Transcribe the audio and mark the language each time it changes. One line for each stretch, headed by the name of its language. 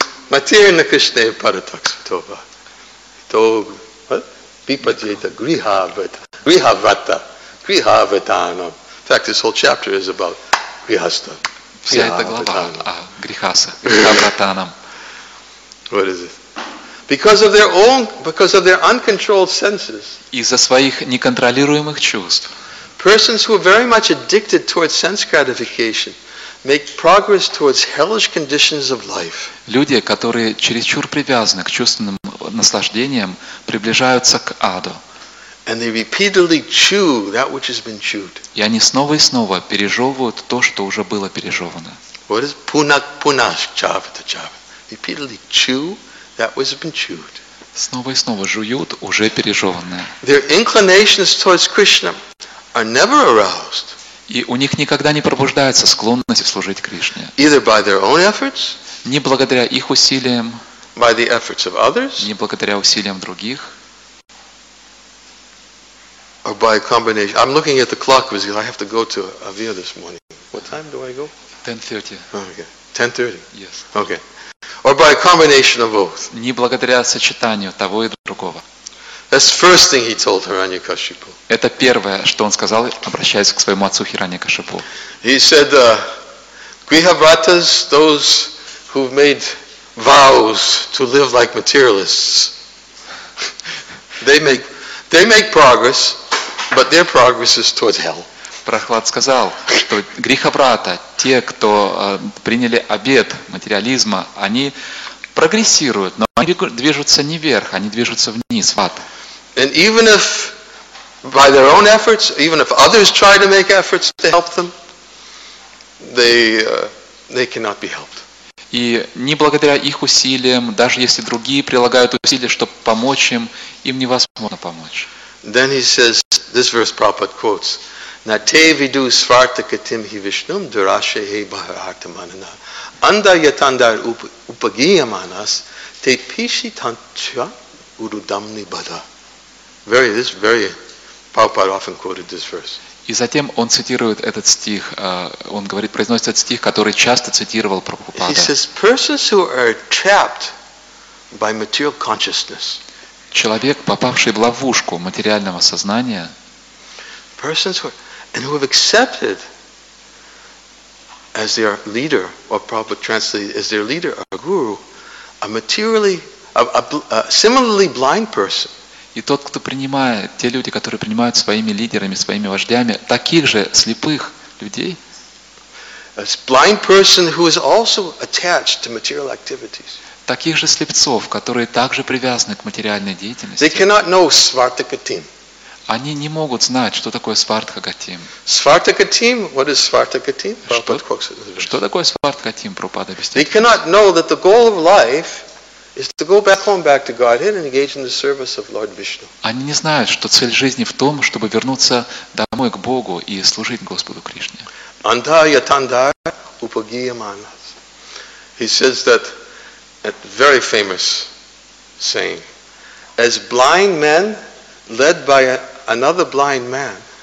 English: Матирна Кришне Паратаксватова Битоби Bipadjeta Grihavata. Grihavatana. In fact, this whole chapter is about Grihasta.
Russian: Вся эта глава о Грихаса. Грихавратанам.
English: What is it? Because of their uncontrolled senses.
Russian: Из-за своих неконтролируемых чувств.
English: Persons who are very much addicted towards sense gratification make progress towards hellish conditions of life.
Russian: Люди, которые чересчур привязаны к чувственным наслаждениям, приближаются к аду.
English: And they repeatedly chew that which has been chewed.
Russian: И они снова и снова пережевывают то, что уже было пережевано.
English: What is
Sanskrit: punak punash chavata chava?
English: Repeatedly chew that which has been chewed.
Russian: Снова и снова жуют уже пережеванное.
English: Their inclinations towards Krishna are never aroused.
Russian: И у них никогда не пробуждается склонность служить Кришне.
English: Either by their own efforts,
Russian: не благодаря их усилиям,
English: by the efforts of others,
Russian: не благодаря усилиям других,
English: or by a combination. I'm looking at the clock because I have to go to Avia this morning. What time do I go? 10:30. Okay. 10:30. Yes. Okay. Or by a combination of both.
Russian: Не благодаря сочетанию того и другого.
English: That's the first thing he told Hiranyakashipu.
Russian: Это первое, что он сказал, обращаясь к своему отцу Хираньякашипу.
English: He said, "Grihavratas, those who've made vows to live like materialists, they make progress, but their progress is towards hell."
Russian: Прохлад сказал, что грихаврата, те, кто приняли обет материализма, они прогрессируют, но они движутся не вверх, они движутся вниз, в ад.
English: And even if by their own efforts, even if others try to make efforts to help them, they cannot be helped.
Russian: И не благодаря их усилиям, даже если другие прилагают усилия, чтобы помочь им, им невозможно помочь.
English: Then he says, this verse Prabhupada quotes,
Sanskrit: Nate vidu svarta katim hi vishnum durashe he bharata manana anda yatandar upagiyamanas te pishi tantya urudamni bada.
English: This Prabhupada often quoted this verse.
Russian: И затем он цитирует этот стих, он говорит, произносит этот стих, который часто цитировал Прабхупада.
English: He says, persons who are trapped by material consciousness.
Russian: Человек, попавший в ловушку материального сознания.
English: Persons who and who have accepted as their leader, or Prabhupada translated, as their leader, a guru, a materially, a similarly blind person.
Russian: И тот, кто принимает, те люди, которые принимают своими лидерами, своими вождями, таких же слепых людей.
English: A blind person who is also attached to material activities.
Russian: Таких же слепцов, которые также привязаны к материальной деятельности.
English: They cannot know svartakatim.
Russian: Они не могут знать, что такое свартхагатим.
English: Svartakatim, what is svartakatim?
Russian: Что такое свартхагатим, Прабхупада объясняет?
English: They cannot know that the goal of life is to go back home, back to Godhead, and engage in the service of Lord Vishnu.
Russian: Они не знают, что цель жизни в том, чтобы вернуться домой к Богу и служить Господу Кришне.
Sanskrit: Anda yatandar upagiyamanas.
English: He says that very famous saying, as blind men led by another blind man.